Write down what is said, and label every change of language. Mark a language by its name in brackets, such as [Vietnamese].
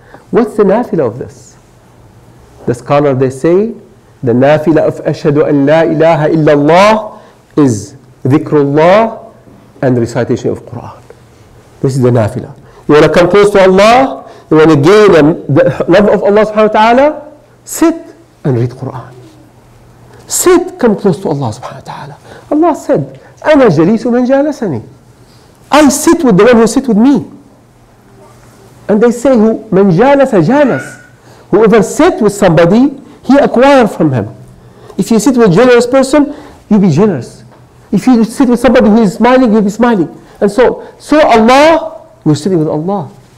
[English] What's the nafila of this? The scholar, they say, the nafila of ashhadu an la ilaha illallah is dhikrullah and recitation of Quran. This is the nafila. You want to come close to Allah, you want to gain the love of Allah subhanahu wa ta'ala, sit and read Quran. Sit, come close to Allah subhanahu wa ta'ala. Allah said, [Arabic] أنا جليس من جالسني. [English] I sit with the one who sit with me. And they say, [Arabic] من جالس جالس. [English] Whoever sit with somebody, he acquire from him. If you sit with a generous person, you be generous. If you sit with somebody who is smiling, you be smiling. And so Allah, we're sitting with Allah.